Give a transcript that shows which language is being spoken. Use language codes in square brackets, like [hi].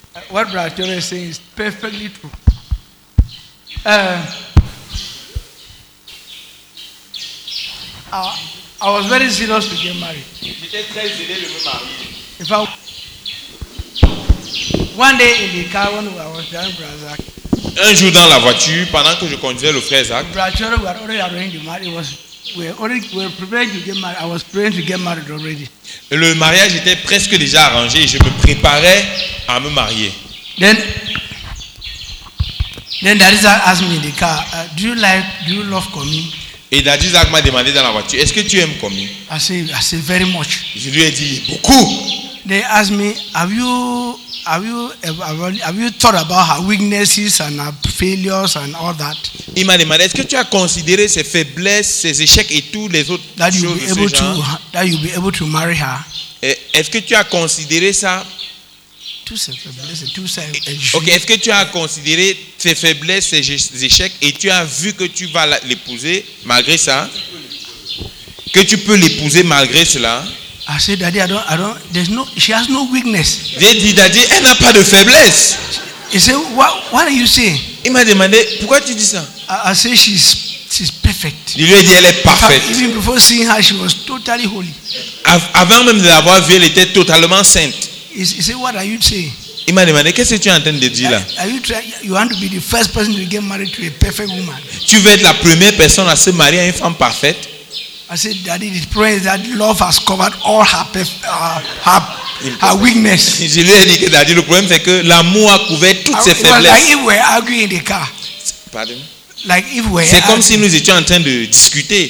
[en] What Brother Tore is saying is perfectly true. I was very zealous to get married. In fact, one day in the car when I was driving Brother Zach, [fr] un jour dans la voiture pendant que je conduisais le frère Zach, [en] Brother Tore was already arranged to marry. We were preparing to get married. I was preparing to get married already. [fr] Le mariage était presque déjà arrangé. Je me préparais à me marier. [en] Then Then Dadisa asked me in the car, do you love Komi? [fr] Et Dadisa m'a demandé dans la voiture, est-ce que tu aimes Komi? [en] I said very much. [fr] Je lui ai dit beaucoup. [en] They asked me, have you thought about her weaknesses and her failures and all that? [fr] Il m'a demandé, est-ce que tu as considéré ses faiblesses, ses échecs et tous les autres [en] that [fr] choses [en] you'll be able [fr] de ce [en] to, [fr] genre? [en] That you'll be able to marry her. [fr] Est-ce que tu as considéré ça? Ok, est-ce que tu as considéré ses faiblesses, ses échecs et tu as vu que tu vas l'épouser malgré ça? Que tu peux l'épouser malgré cela? [en] I said, Daddy, I don't. There's no. She has no weakness. [fr] J'ai dit, Daddy, elle n'a pas de faiblesse. [en] He said, What are you saying? [fr] Il m'a demandé, pourquoi tu dis ça? [en] I said, she's perfect. [fr] Je lui ai dit, elle est parfaite. [en] Even before seeing her, she was totally holy. [fr] Avant même de l'avoir vue, elle était totalement sainte. [en] He said, what are you saying? [fr] Il m'a demandé, qu'est-ce que tu es en train de dire là? [en] You want to be the first person to get married to a perfect woman? [fr] Tu veux être la première personne à se marier à une femme parfaite? [en] I said, Daddy, the prayer is that love has covered all her weakness. [fr] Je lui ai dit que Daddy, le problème c'est que l'amour a couvert toutes ses faiblesses. [en] Like if we're arguing in the car. [fr] Pardon? [en] Like if we're. [fr] C'est comme si nous étions en train de discuter.